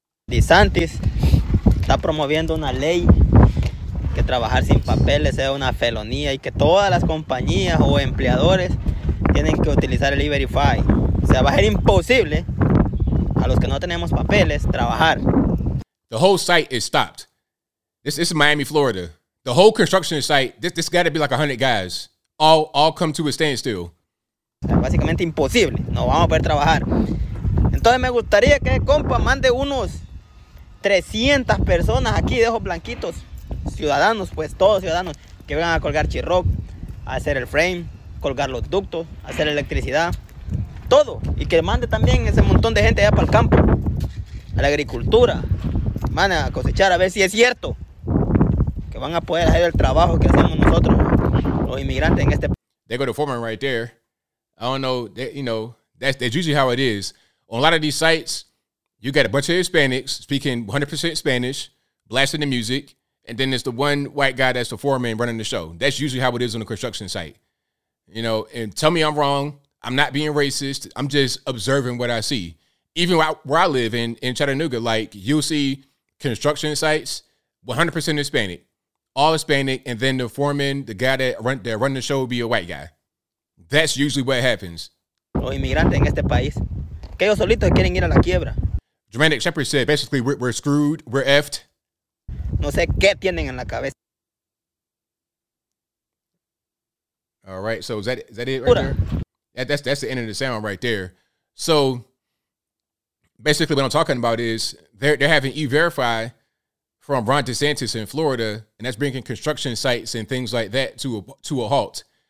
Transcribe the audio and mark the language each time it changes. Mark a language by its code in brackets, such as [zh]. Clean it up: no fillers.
[es] DeSantis está promoviendo una ley que trabajar sin papeles sea una felonía y que todas las compañías o empleadores tienen que utilizar el E-Verify. O sea, va a ser imposible a los que no tenemos papeles trabajar. [en] The whole site is stopped. This is Miami, Florida. The whole construction site, this got to be like 100 guys. All come to a standstill. [es] Básicamente imposible, no vamos a poder trabajar. Entonces me gustaría que compa mande unos 300 personas aquí de ojos blanquitos ciudadanos, pues todos ciudadanos, que vengan a colgar chirroc, a hacer el frame, colgar los ductos, hacer electricidad, todo. Y que mande también ese montón de gente allá para el campo, a la agricultura, van a cosechar, a ver si es cierto que van a poder hacer el trabajo que hacemos nosotros, los inmigrantes en este país. [en] They go to foreman right there. I don't know, that's usually how it is. On a lot of these sites, you got a bunch of Hispanics speaking 100% Spanish, blasting the music, and then there's the one white guy that's the foreman running the show. That's usually how it is on a construction site. You know, and tell me I'm wrong. I'm not being racist. I'm just observing what I see. Even where I live in Chattanooga, like, you'll see construction sites 100% Hispanic, all Hispanic, and then the foreman, the guy that run the show will be a white guy. That's usually what happens. [es] Los inmigrantes en este país, que ellos solitos quieren ir a la quiebra. [en] Dramatic Shepherd said, basically, we're screwed, we're effed. [es] No sé qué tienen en la cabeza. [en] All right, so is that it right Pura. There? That's the end of the sound right there. So, basically, what I'm talking about is they're having E-Verify from Ron DeSantis in Florida, and that's bringing construction sites and things like that to a halt.